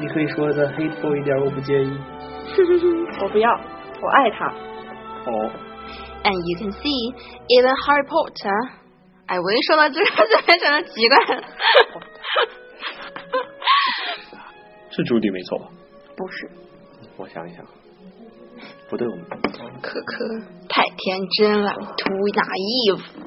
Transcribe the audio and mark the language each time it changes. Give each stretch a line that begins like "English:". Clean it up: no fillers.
Chinese: 你可以说的 hateful 一点，我不介意。我不要，我爱他。哦。
English: And you can see, even Harry Potter.
Chinese: 哎，我一说到这个就变成了奇怪。是朱迪没错吧？不是。我想一想。不对，我们。可可太天真了 ，
English: too naive。